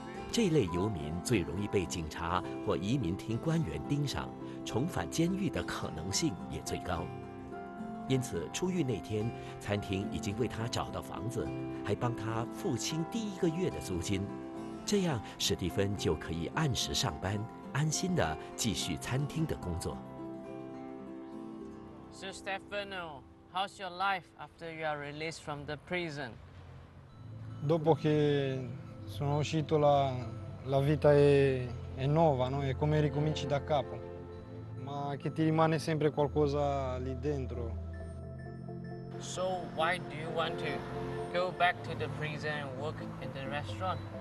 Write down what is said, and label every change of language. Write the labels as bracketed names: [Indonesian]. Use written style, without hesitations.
[Chinese] 这类游民最容易被警察或移民厅官员盯上，重返监狱的可能性也最高。因此出狱那天，餐厅已经为他找到房子，还帮他付清第一个月的租金，这样史蒂芬就可以按时上班，安心地继续餐厅的工作。 [English] So Stefano, how's your life after you are released from the prison? [Italian] Dopo che sono uscito, la vita è nuova, no? È come ricominci da capo. Ma che ti rimane sempre qualcosa lì dentro. [English] So why do you want to go back to the prison and work in the restaurant?